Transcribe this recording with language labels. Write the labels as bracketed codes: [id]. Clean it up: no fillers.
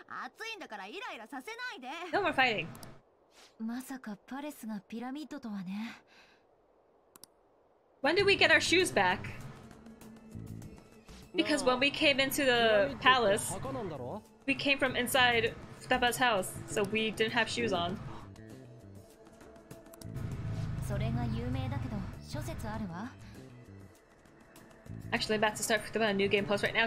[ja] 暑いんだからイライラさせないで。 [en] No more fighting. [ja] まさかパレスがピラミッドとはね。 [en] When did we get our shoes back? Because when we came into the palace, we came from inside Futaba's house, so we didn't have shoes on. [ja] それが有名だけど、諸説あるわ。 [en] Actually, I'm about to start Futaba a new game plus right now.